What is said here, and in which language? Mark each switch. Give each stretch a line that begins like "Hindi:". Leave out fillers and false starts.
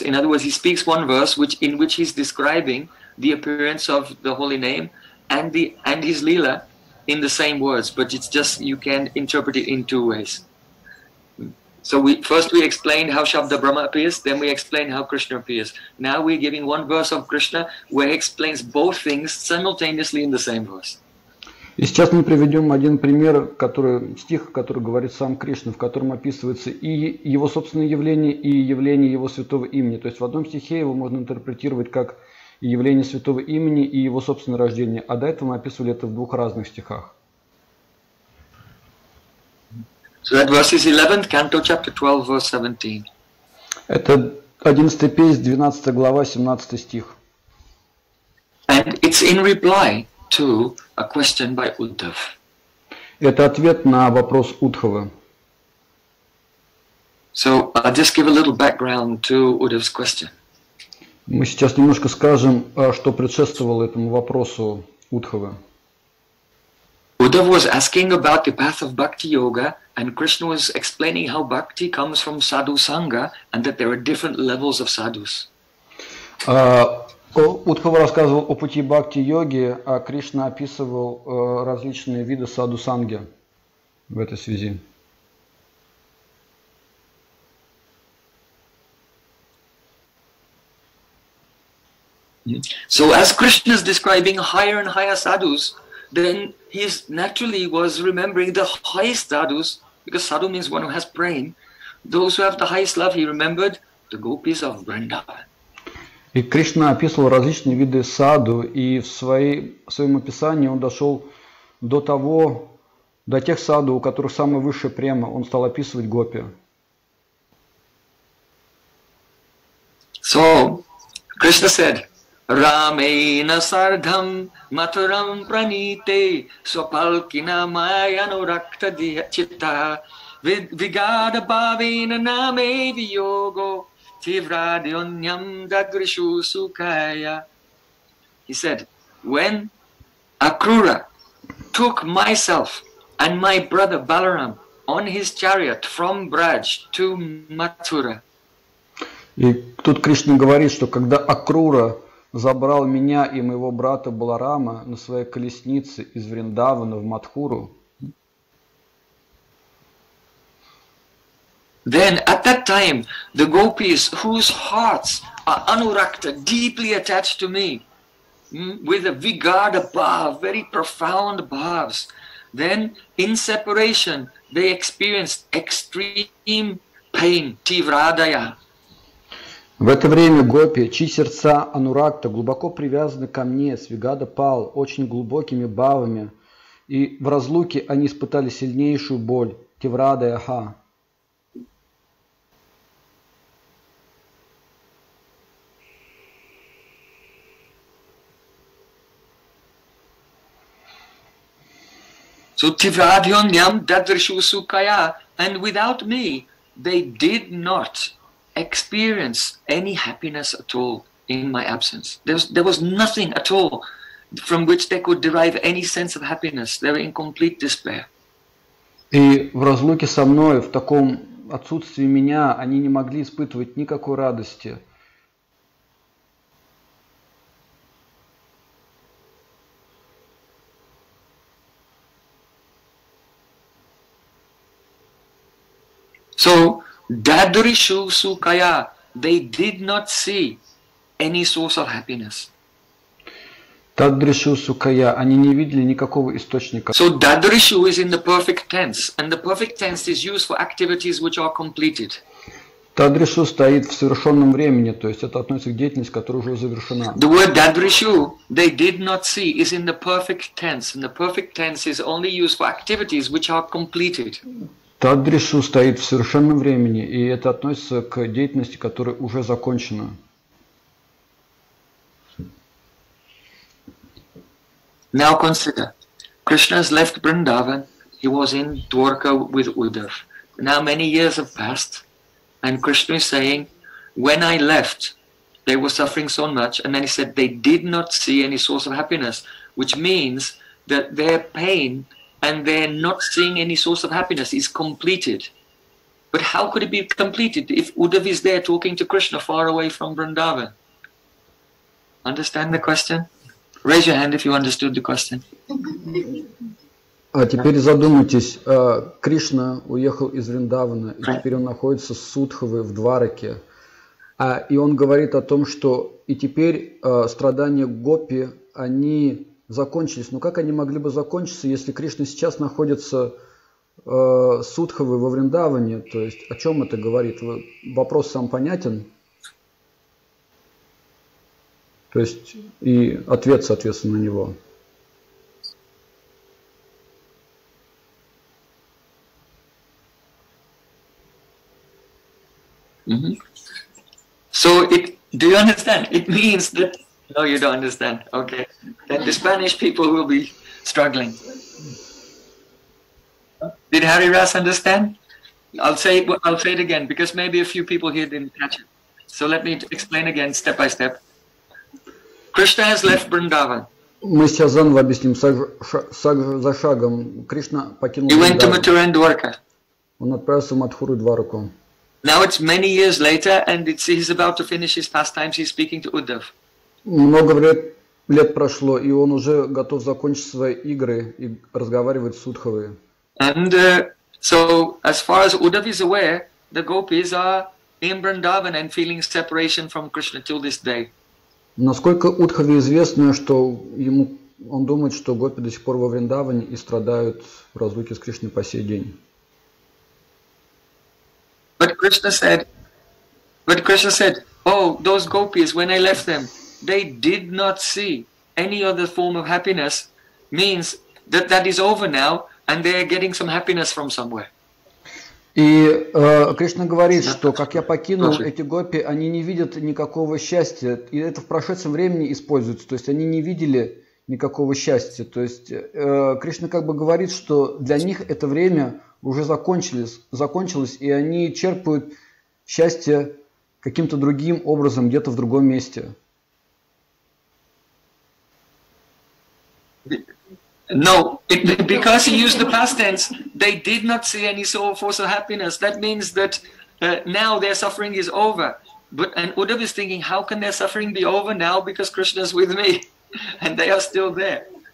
English: In other words, he speaks one verse in which he's describing the appearance of the holy name and his Leela in the same words, but it's just, you can interpret it in two ways. So we explained how Shabda Brahma appears, then we explained how Krishna appears. Now we're giving one verse of Krishna, where he explains both things simultaneously in the same verse.
Russian: И сейчас мы приведем один пример, стих, который говорит сам Кришна, в котором описывается и его собственное явление, и явление его святого имени. То есть в одном стихе его можно интерпретировать как явление святого имени и его собственное рождение, а до этого мы описывали это в двух разных стихах.
English: So that verse is 11th canto, chapter 12, verse 17.
Russian: Это 11 песнь, 12 глава, 17 стих.
English: And it's in reply to a question by Uddhav.
Russian: Это ответ на вопрос Удхавы.
English: So I'll just give a little background to Uddhav's question.
Russian: Мы сейчас немножко скажем, что предшествовало этому вопросу Удхавы.
English: Uddhav was asking about the path of bhakti yoga, and Krishna was explaining how bhakti comes from sadhu sangha, and that there are different levels of sadhus.
Russian: Uddhav рассказывал о пути бхакти йоги, а Кришна описывал различные виды саду санги в этой связи.
English: So as Krishna is describing higher and higher sadhus, then he is naturally was remembering the highest sadhus, because sadhu means one who has brain. Those who have the highest love, he remembered the gopis of Vrindavan.
Russian: И Кришна описывал различные виды саду, и в своем описании он дошел до тех саду, у которых самая высшая према, он стал описывать гопи.
English: So, Krishna said,
Sanskrit: Rameena sardham maturam pranite swapalkina mayano rakta chitta vigada bhavena name viyogo tivradyonyam dagrishu sukaya.
English: He said, when Akrura took myself and my brother Balaram on his chariot from Braj to Mathura.
Russian: И тут Кришна говорит, что когда Акрура забрал меня и моего брата Баларама на своей колеснице из Вриндавана в Матхуру.
English: Then at that time the gopis whose hearts are anurakta, deeply attached to me, with a vigada bhav, very profound bhavs, then in separation they experienced extreme pain, tivradaya.
Russian: В это время гопи, чьи сердца анурагта глубоко привязаны ко мне, свигада пал, очень глубокими бавами, и в разлуке они испытали сильнейшую боль, тиврада яха.
English: So
Sanskrit: tivradhyonyam dadrishu sukaya,
English: and without me, they did not experience any happiness at all in my absence. There was nothing at all from which they could derive any sense of happiness. They were in complete despair.
Russian: И в разлуке со мной, в таком отсутствии меня они не могли испытывать никакой радости.
English: So, dadrishu sukaya, they did not see any source of happiness.
Sanskrit: Dadrishu sukaya,
Russian: они не видели никакого источника.
English: So, dadrishu is in the perfect tense, and the perfect tense is used for activities which are completed.
Russian: Dadrishu стоит в совершенном времени, то есть это относится к деятельности, которая уже завершена.
English: The word dadrishu, they did not see, is in the perfect tense, and the perfect tense is only used for activities which are completed.
Russian: Тадришу стоит в совершенном времени, и это относится к деятельности, которая уже закончена.
English: Now consider, Krishna has left Vrindavan, he was in Dwarka with Uddhav. Now many years have passed, and Krishna is saying, when I left, they were suffering so much, and then he said, they did not see any source of happiness, which means that their pain and they're not seeing any source of happiness is completed. But how could it be completed if Uddhav is there talking to Krishna far away from Vrindavan? Understand the question? Raise your hand if you understood the question.
Russian: А теперь задумайтесь, Кришна уехал из Вриндавана, и теперь он находится с Удхавой в Двараке. И он говорит о том, что и теперь страдания гопи, они закончились. Но как они могли бы закончиться, если Кришна сейчас находится с Удхавой во Вриндаване? То есть о чем это говорит? Вопрос сам понятен? То есть и ответ, соответственно, на него.
English: Mm-hmm. So it, do you understand? It means that... No, you don't understand. Okay. Then the Spanish people will be struggling. Did Hari Ras understand? I'll say it again, because maybe a few people here didn't catch it. So let me explain again, step by step. Krishna has left Vrindavan.
Russian: Мы сейчас заново объясним, шаг за шагом. Кришна покинул
English: Вриндаван. He went to Mathura and Dwarka.
Russian: Он отправился в Матхуру и Двараку.
English: Now it's many years later, and he's about to finish his pastimes, he's speaking to Uddhav.
Russian: Много лет прошло, и он уже готов закончить свои игры и разговаривать с Удхавой.
English: And so, as far as Uddhav is aware, the gopis are in Vrindavan and feeling separation from Krishna till this day.
Russian: Насколько Удхаве известно, что ему он думает, что гопи до сих пор во Вриндаване и страдают в разлуке с Кришной по сей день.
English: But Krishna said, oh, those gopis, when I left them, they did not see any other form of happiness, means that that is over now, and they are getting some happiness from somewhere.
Russian: И Кришна говорит, что как я покинул эти гопи, они не видят никакого счастья, и это в прошедшем времени используется, то есть они не видели никакого счастья. То есть Кришна как бы говорит, что для них это время уже закончилось, и они черпают счастье каким-то другим образом, где-то в другом месте.
English: No, because he used the past tense, they did not see any soul force of happiness. That means that now their suffering is over. But and Uddhav is thinking, how can their suffering be over now because Krishna is with me and they are still there?